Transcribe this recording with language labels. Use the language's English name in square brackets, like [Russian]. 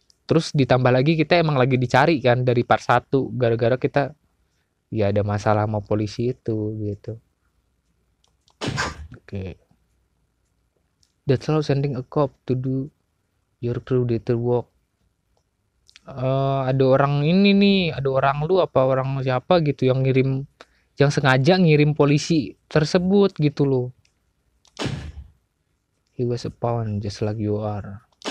[Indonesian] Terus ditambah lagi kita emang lagi dicari kan dari part 1 gara-gara kita ya ada masalah sama polisi itu gitu. Oke. Okay. [English] That's how sending a cop to do your predator work. [Indonesian] Ada orang ini nih, ada orang lu apa orang siapa gitu yang ngirim, yang sengaja ngirim polisi tersebut gitu loh. [English] He was a pawn just like you are.